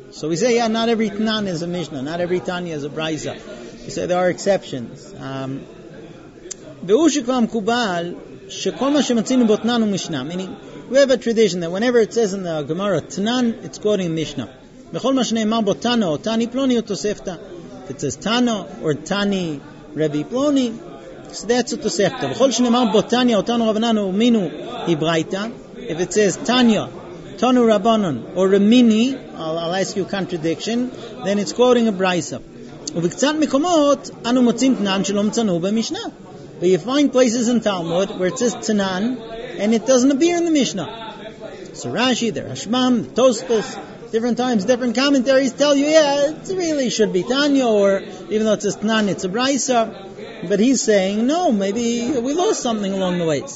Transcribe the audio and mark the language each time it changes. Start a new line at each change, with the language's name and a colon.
English: So we say, yeah, not every Tanan is a Mishnah, not every Tanya is a Braisa. We say there are exceptions.
Hebrew: Ve'ushikvam kubal, shekol ma shematzinu bo tanan u mishnah.
English: Meaning, we have a tradition that whenever it says in the Gemara, Tanan, it's quoting Mishnah.
Hebrew: בכל מה שנאמר בו תנו או תני פלוני או תוספתא.
English: It says תנו or תני רבי פלוני, so that's a תוספתא.
Hebrew: בכל שנאמר בו תניא או תנו רבנן או מינו היא ברייתא.
English: If it says
Hebrew: תניא, תנו רבנן או רמיני,
English: I'll ask you a contradiction, then it's quoting a ברייתא.
Hebrew: ובקצת מקומות אנו מוצאים תנן שלא מצאנו במשנה.
English: But you find places in Talmud where it says Tanan and it doesn't appear in the Mishnah. So Rashi, the Rashbam, the Tosfos, different times, different commentaries tell you, yeah, it really should be Tanya, or even though it says Tanan, it's a Braisa. But he's saying, no, maybe we lost something along the ways.